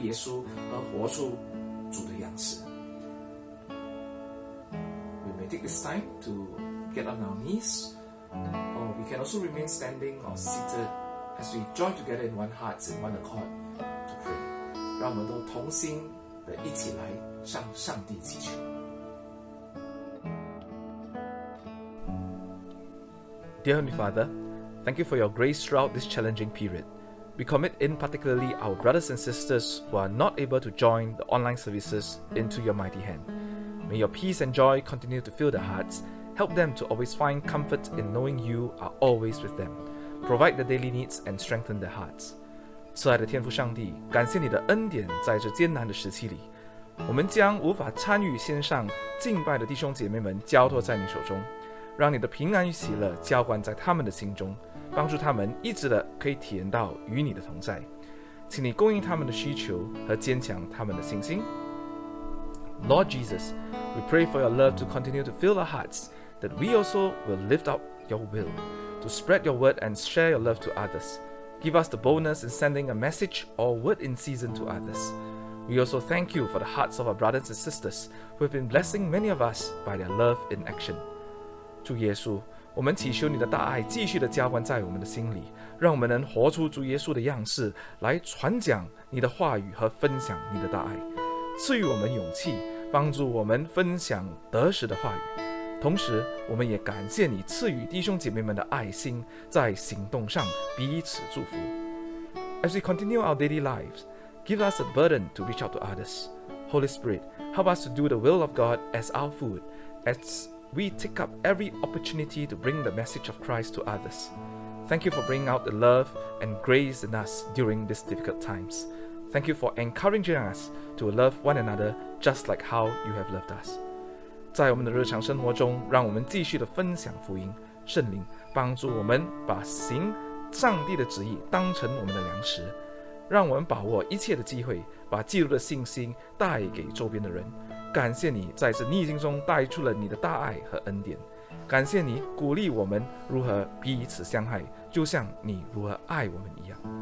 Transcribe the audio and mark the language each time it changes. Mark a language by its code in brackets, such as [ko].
[zh] 那我会求主帮助我们，即使在冠状病毒期间所面临的许多困难，主赐予我们的勇气来传讲基督耶稣和活出主的样式。 [en] Take this time to get on our knees, or we can also remain standing or seated as we join together in one heart and one accord to pray. [zh] 让我们都同心的一起来向上帝祈求。 [en] Dear Heavenly Father, thank you for your grace throughout this challenging period. We commit in particularly our brothers and sisters who are not able to join the online services into your mighty hand. May your peace and joy continue to fill their hearts. Help them to always find comfort in knowing you are always with them. Provide their daily needs and strengthen their hearts. [zh] 慈爱的天父上帝，感谢你的恩典在这艰难的时期里，我们将无法参与线上敬拜的弟兄姐妹们交托在你手中。让你的平安与喜乐浇灌在他们的心中，帮助他们一直的可以体验到与你的同在。请你供应他们的需求和坚强他们的信心。 [en] Lord Jesus, we pray for your love to continue to fill our hearts, that we also will lift up your will, to spread your word and share your love to others. Give us the boldness in sending a message or word in season to others. We also thank you for the hearts of our brothers and sisters who have been blessing many of us by their love in action. [zh] 主耶稣，我们祈求你的大爱继续地浇灌在我们的心里，让我们能活出主耶稣的样式，来传讲你的话语和分享你的大爱，赐予我们勇气，帮助我们分享得时的话语。同时，我们也感谢你赐予弟兄姐妹们的爱心，在行动上彼此祝福。 [en] As we continue our daily lives, give us a burden to reach out to others. Holy Spirit, help us to do the will of God as our food, as we take up every opportunity to bring the message of Christ to others. Thank you for bringing out the love and grace in us during these difficult times. Thank you for encouraging us to love one another just like how you have loved us. [zh] 在我们的日常生活中，让我们继续的分享福音。圣灵，帮助我们把行上帝的旨意当成我们的粮食，让我们把握一切的机会，把基督的信心带给周边的人。感谢你在这逆境中带出了你的大爱和恩典，感谢你鼓励我们如何彼此相爱，就像你如何爱我们一样。